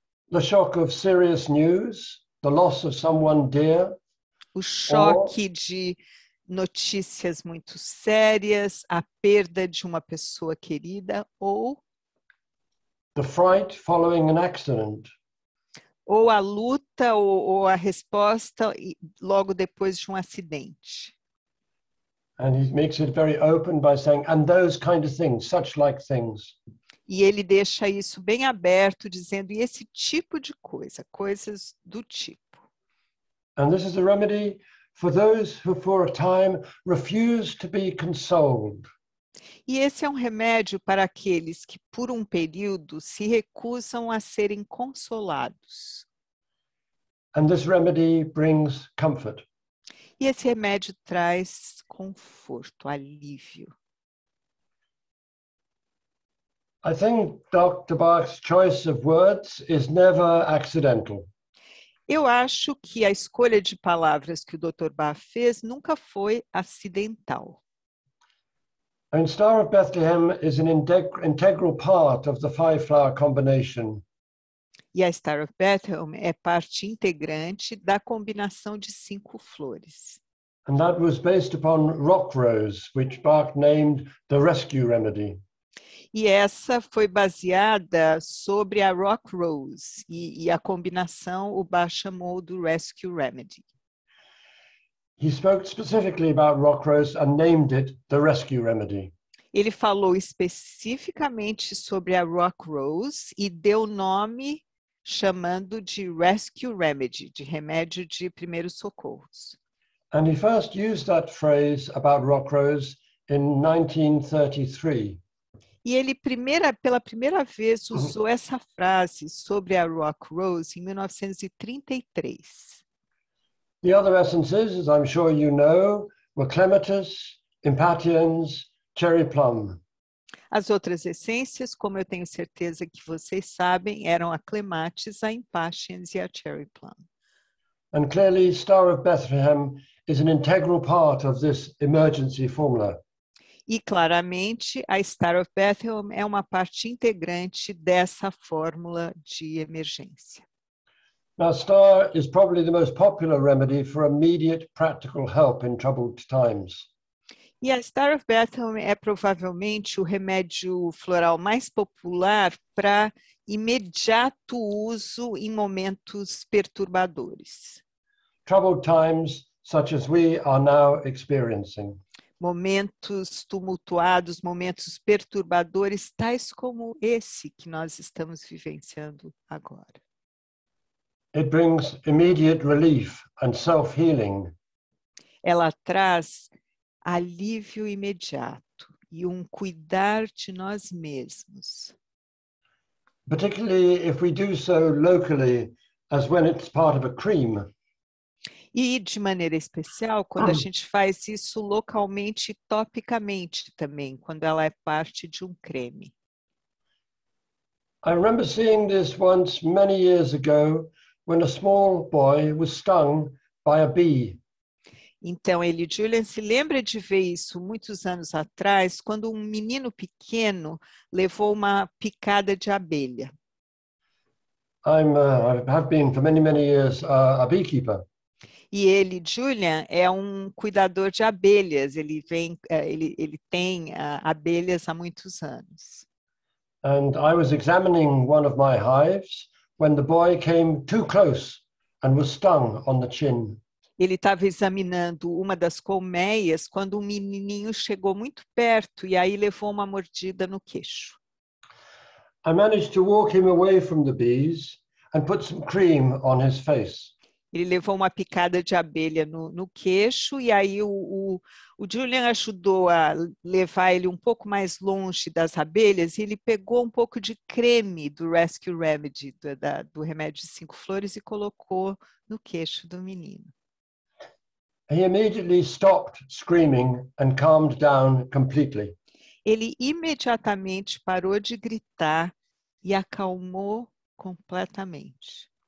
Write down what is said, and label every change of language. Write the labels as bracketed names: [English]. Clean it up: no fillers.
[English] The shock of serious news, the loss of someone dear. [Portuguese] O choque de notícias muito sérias, a perda de uma pessoa querida, ou [English] the fright following an accident. [Portuguese] Ou a luta ou a resposta logo depois de um acidente. [English] And he makes it very open by saying, and those kind of things, such like things. [Portuguese] E ele deixa isso bem aberto, dizendo, e esse tipo de coisa, coisas do tipo. [English] And this is a remedy for those who for a time refuse to be consoled. [Portuguese] E esse é um remédio para aqueles que por um período se recusam a serem consolados. [English] And this remedy brings comfort. [Portuguese] E esse remédio traz conforto, alívio. [English] I think Dr. Bach's choice of words is never accidental. [Portuguese] Eu acho que a escolha de palavras que o Dr. Bach fez nunca foi acidental. [English] And Star of Bethlehem is an integral part of the five flower combination. [Portuguese] E a Star of Bethlehem é parte integrante da combinação de cinco flores. [English] And that was based upon rock rose, which Bach named the rescue remedy. [Portuguese] E essa foi baseada sobre a rock rose e a combinação o Bach chamou do rescue remedy. [English] He spoke specifically about rock rose and named it the rescue remedy. [Portuguese] Ele falou especificamente sobre a rock rose e deu nome chamando de rescue remedy, de remédio de primeiros socorros. [English] And he first used that phrase about rock rose in 1933. [Portuguese] E ele pela primeira vez usou essa frase sobre a rock rose em 1933. [English] The other essences, as I'm sure you know, were clematis, impatiens, cherry plum. [Portuguese] As outras essências, como eu tenho certeza que vocês sabem, eram a clematis, a impatiens e a cherry plum. [English] And clearly, Star of Bethlehem is an integral part of this emergency formula. [Portuguese] E claramente, a Star of Bethlehem é uma parte integrante dessa fórmula de emergência. [English] Now, Star is probably the most popular remedy for immediate practical help in troubled times. [Portuguese] E a Star of Bethlehem é provavelmente o remédio floral mais popular para imediato uso em momentos perturbadores. [English] Troubled times, such as we are now experiencing. [Portuguese] Momentos tumultuados, momentos perturbadores, tais como esse que nós estamos vivenciando agora. [English] It brings immediate relief and self-healing. [Portuguese] Ela traz alívio imediato e um cuidar de nós mesmos. [English] Particularly if we do so locally, as when it's part of a cream. [Portuguese] E de maneira especial, quando a gente faz isso localmente e topicamente também, quando ela é parte de um creme. [English] I remember seeing this once many years ago, when a small boy was stung by a bee. [Portuguese] Então, ele, Julian, se lembra de ver isso muitos anos atrás, quando um menino pequeno levou uma picada de abelha. [English] I have been for many years a beekeeper. [Portuguese] E ele, Julian, é um cuidador de abelhas. Ele vem, ele tem abelhas há muitos anos. [English] And I was examining one of my hives when the boy came too close and was stung on the chin. [Portuguese] Ele estava examinando uma das colmeias quando um menininho chegou muito perto e aí levou uma mordida no queixo. [English] I managed to walk him away from the bees and put some cream on his face. [Portuguese] Ele levou uma picada de abelha no queixo e aí o Julian ajudou a levar ele um pouco mais longe das abelhas e ele pegou um pouco de creme do Rescue Remedy, do remédio de cinco flores, e colocou no queixo do menino. [English] He immediately stopped screaming and calmed down completely. [Portuguese] Ele imediatamente parou de gritar e acalmou completamente.